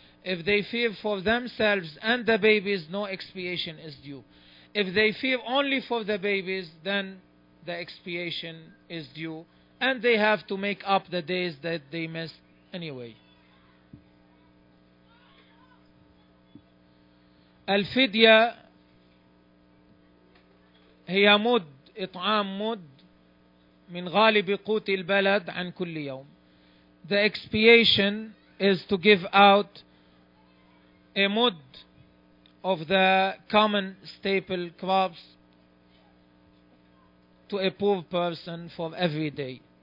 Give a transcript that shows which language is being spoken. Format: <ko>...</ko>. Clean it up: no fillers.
<en>If they fear for themselves and the babies, no expiation is due. If they fear only for the babies, then the expiation is due, and they have to make up the days that they missed anyway.</en> <ar>Al-fidya هي مد إطعام مد من غالب قوت البلد عن كل يوم.</ar> <en>The expiation is to give out a mud of the common staple crops to a poor person for every day.</en>